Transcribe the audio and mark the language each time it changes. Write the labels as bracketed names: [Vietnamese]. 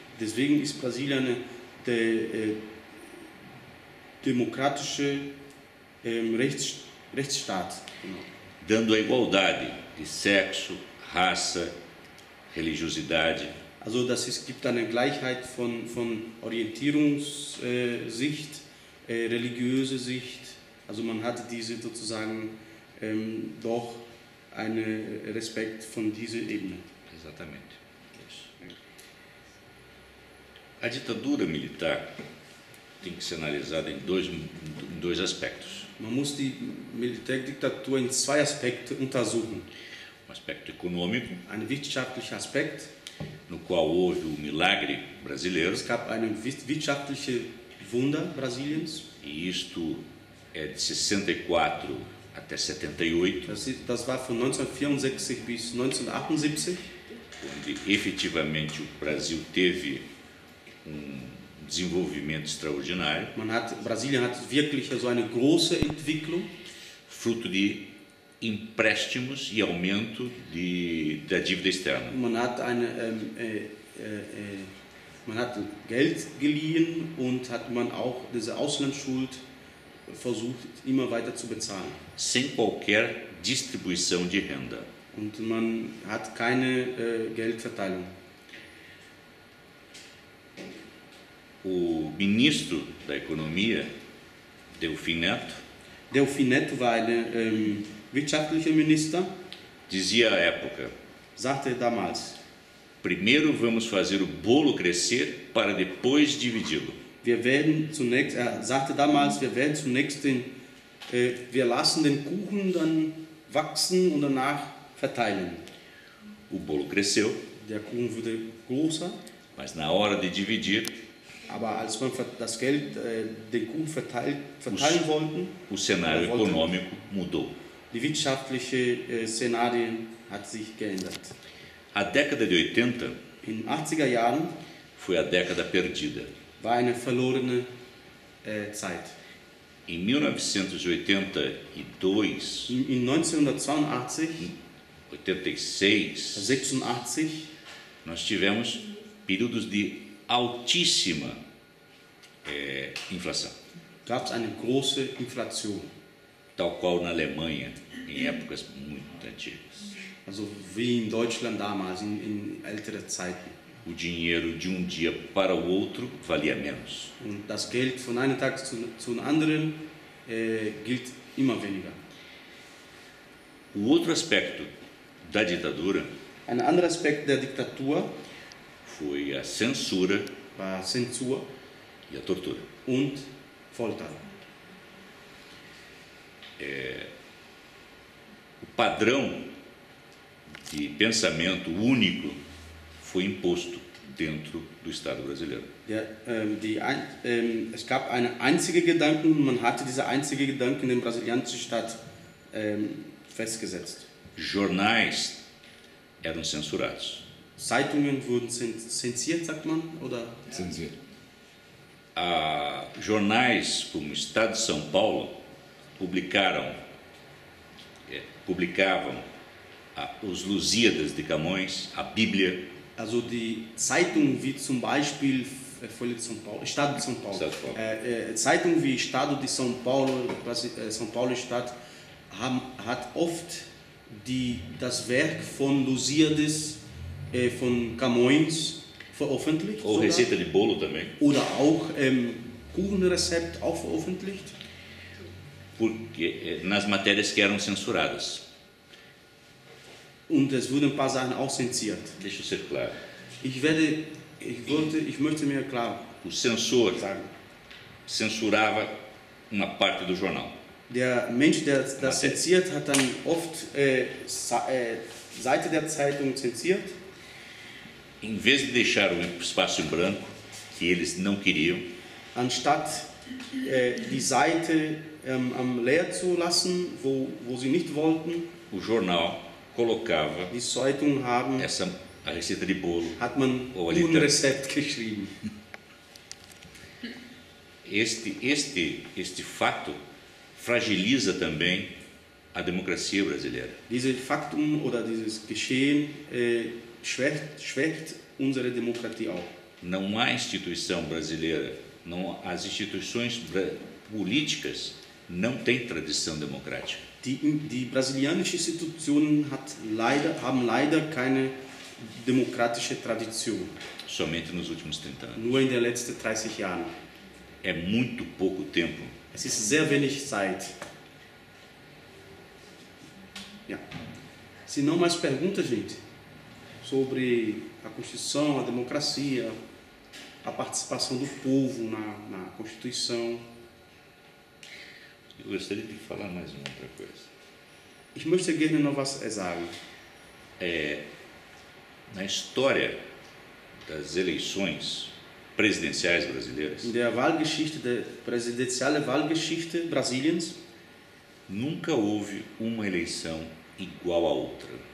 [German] Deswegen ist Brasilien eine demokratische Rechtsstaat. [Portuguese] Dando a igualdade de sexo, raça, religiosidade. [German] Also, dass es gibt eine Gleichheit von Orientierungssicht, religiöse Sicht. Also man hat diese sozusagen doch einen Respekt von dieser Ebene. [Portuguese] Exatamente. A ditadura militar tem que ser analisada em dois aspectos. [German] Man muss die Militärdiktatur in zwei Aspekten untersuchen. [Portuguese] Um aspecto econômico, [German] ein wirtschaftlicher Aspekt, [Portuguese] no qual houve o milagre brasileiro. [German] Es gab einen wirtschaftlichen Wunder Brasiliens. [Portuguese] E isto é de 64 até 78. [German] Das war von 1964 bis 1978. [Portuguese] Onde efetivamente o Brasil teve um desenvolvimento extraordinário. [German] Brasília hat wirklich so eine große Entwicklung. [Portuguese] Fruto de empréstimos e aumento da dívida externa. [German] Man hat man hat Geld geliehen und hat man auch diese Auslandsschuld versucht immer weiter zu bezahlen. [Portuguese] Sem qualquer distribuição de renda. [German] Und man hat keine Geldverteilung. [Portuguese] O ministro da Economia, Delfim Neto. [German] Delfim Neto war ein wirtschaftlicher Minister. [Portuguese] Dizia à época. [German] Sagte damals. [Portuguese] Primeiro vamos fazer o bolo crescer para depois dividi-lo. [German] Wir werden zunächst, sagte damals, wir werden zunächst den, wir lassen den Kuchen dann wachsen und danach verteilen. [Portuguese] O bolo cresceu. [German] Der Kuchen wurde größer. [Portuguese] Mas na hora de dividir. [German] Aber als man das Geld den Kuchen verteilen wollten. [Portuguese] O cenário econômico mudou. [German] Die wirtschaftliche Szenarien hat sich geändert. [Portuguese] A década de 80. [German] In 80er Jahren. [Portuguese] Foi a década perdida. [German] War eine verlorene Zeit. [Portuguese] Em 1982. [German] In 1982. [Portuguese] 86, nós tivemos períodos de altíssima inflação. [German] Gab es eine große Inflation. [Portuguese] Tal qual na Alemanha, em épocas muito antigas. [German] Also wie in Deutschland damals, in älteren Zeiten. [Portuguese] O dinheiro de dia para o outro valia menos. [German] Und das Geld von einem Tag zum anderen gilt immer weniger. [Portuguese] O outro aspecto da ditadura. [German] Ein anderer Aspekt der Diktatur [Portuguese] foi a censura, [German] war Zensur [Portuguese] e a tortura. [German] Und Folter. [Portuguese] O padrão de pensamento único foi imposto dentro do Estado brasileiro. [German] Es gab einen einzigen Gedanken, man hatte diesen einzigen Gedanken im brasilianischen Staat festgesetzt. [Portuguese] Jornais eram censurados. [German] Zeitungen wurden zensiert, sagt man, oder? Zensiert. [Portuguese] Jornais como o Estado de São Paulo publicavam os Lusíadas de Camões, a Bíblia. [German] Also die Zeitung wie zum Beispiel Folha de São Paulo, Estado de São Paulo. [Portuguese] Estado de São Paulo. [German] Zeitung wie Estado de São Paulo, São Paulo Stadt, hat oft das Werk von Lusíadas von Camões veröffentlicht. [Portuguese] Ou receita de bolo também. [German] Oder auch Kuchenrezept auch veröffentlicht. [Portuguese] Porque nas matérias que eram censuradas. [German] Und es wurden ein paar Sachen auch zensiert. [Portuguese] Deixa eu ser claro. [German] Ich möchte mir klar. [Portuguese] O censor censurava uma parte do jornal. [German] Der Mensch, der das zensiert, hat dann oft Seite der Zeitung zensiert. [Portuguese] Em vez de deixar um espaço em branco, que eles não queriam. [German] Anstatt die Seite am leer zu lassen, wo sie nicht wollten. [Portuguese] O jornal colocava essa a receita de bolo. [German] Hat man um Rezept geschrieben. [Portuguese] Este fato fragiliza também a democracia brasileira. [German] Diese Faktum oder dieses Geschehen schwächt unsere Demokratie auch. [Portuguese] Não há instituição brasileira, não as instituições políticas não têm tradição democrática. [German] Die brasilianische Institution haben leider keine demokratische Tradition. [Portuguese] Somente nos últimos 30 anos. [German] Nur in den letzten 30 Jahren. [Portuguese] É muito pouco tempo. [German] Es ist sehr wenig Zeit. Ja. [Portuguese] Se não mais perguntas, gente, sobre a Constituição, a democracia, a participação do povo na Constituição. Eu gostaria de falar mais uma outra coisa. [German] Ich möchte gerne noch was sagen. [Portuguese] Na história das eleições presidenciais brasileiras. [German] In der Wahlgeschichte, der präsidentielle Wahlgeschichte Brasiliens. [Portuguese] Nunca houve uma eleição igual à outra.